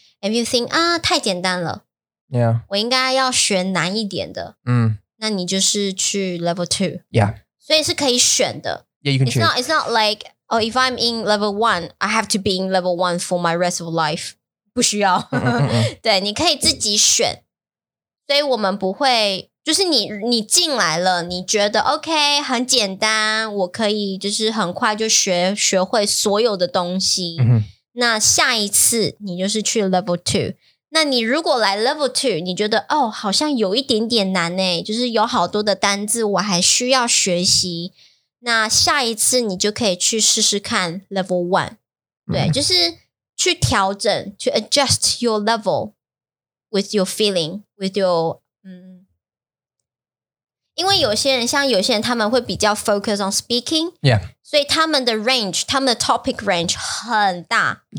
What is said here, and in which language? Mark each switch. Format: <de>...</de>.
<en>If you think,</en> <zh>太简单了,</zh> <en>yeah.</en> <zh>我应该要学难一点的, mm. 那你就是去 level 2.</zh> <en>Yeah.</en> <zh>所以是可以选的。</zh> <en>Yeah, you can choose. It's not like, oh, if I'm in level 1, I have to be in level 1 for my rest of life.</en> <zh>不需要。对,你可以自己选。所以我们不会,就是你进来了, 你觉得OK,很简单, 我可以就是很快就学会所有的东西。那下一次,你就是去 level 2。那你如果来 level 2, 你觉得,哦,好像有一点点难耶, 就是有好多的单字我还需要学习。那下一次你就可以去试试看 level 1. 对,就是去调整,</zh> <en>to adjust your level with your feeling, with your...</en> <zh>因为有些人,像有些人他们会比较</zh> <en>focus on speaking. Yeah.</en> <zh>所以他们的 range, 他们的 topic range 很大.</zh>